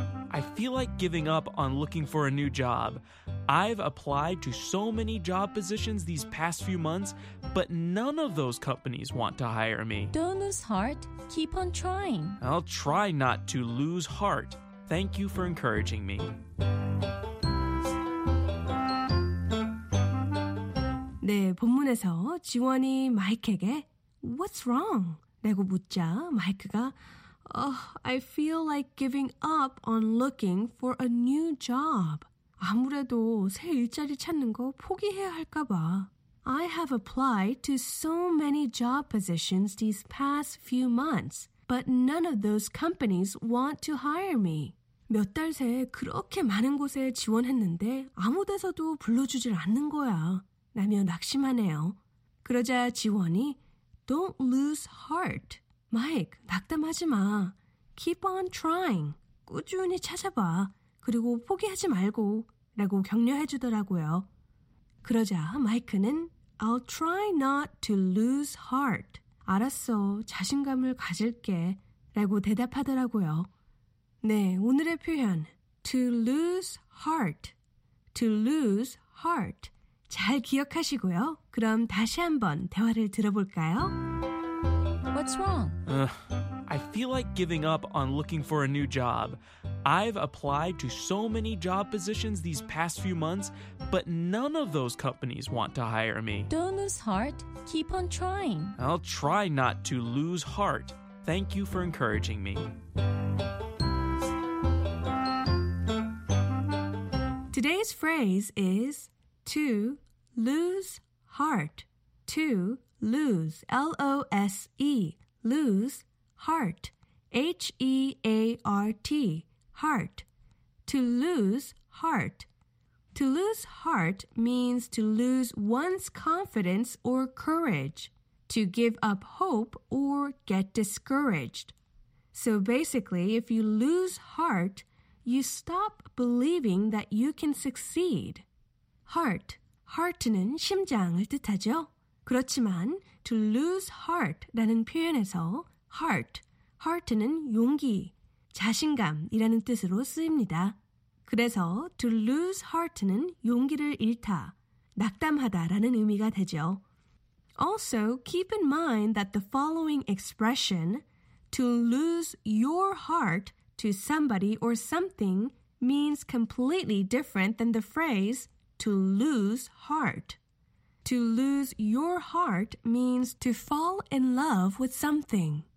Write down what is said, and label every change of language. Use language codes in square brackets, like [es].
[en] I feel like giving up on looking for a new job. I've applied to so many job positions these past few months, but none of those companies want to hire me. Don't lose heart. Keep on trying. I'll try not to lose heart. Thank you for encouraging me. [ko] 네, 본문에서 지원이 마이크에게 [en] What's wrong? [ko] 라고 묻자 마이크가 [en] I feel like giving up on looking for a new job. [ko] 아무래도 새 일자리 찾는 거 포기해야 할까 봐. [en] I have applied to so many job positions these past few months, but none of those companies want to hire me. [ko] 몇 달 새 그렇게 많은 곳에 지원했는데 아무 데서도 불러주질 않는 거야. 라며 낙심하네요. 그러자 지원이 [en] Don't lose heart. Mike, [ko] 낙담하지 마. [en] Keep on trying. [ko] 꾸준히 찾아봐. 그리고 포기하지 말고. 라고 격려해 주더라고요. 그러자 마이크는 [en] I'll try not to lose heart. [ko] 알았어. 자신감을 가질게. 라고 대답하더라고요. 네, 오늘의 표현. [en] To lose heart. To lose heart. [ko] 잘 기억하시고요. 그럼 다시 한번 대화를 들어볼까요? [en] What's wrong? I feel like giving up on looking for a new job. I've applied to so many job positions these past few months, but none of those companies want to hire me. Don't lose heart. Keep on trying. I'll try not to lose heart. Thank you for encouraging me. Today's phrase is to lose heart. To lose, L-O-S-E, lose heart, H-E-A-R-T, heart. To lose heart. To lose heart means to lose one's confidence or courage, to give up hope or get discouraged. So basically, if you lose heart, you stop believing that you can succeed. Heart. [ko] Heart는 심장을 뜻하죠. 그렇지만 to lose heart라는 표현에서 heart, heart는 용기, 자신감이라는 뜻으로 쓰입니다. 그래서 to lose heart는 용기를 잃다, 낙담하다라는 의미가 되죠. [en] Also, keep in mind that the following expression, to lose your heart to somebody or something, means completely different than the phrase to lose heart. To lose your heart means to fall in love with something.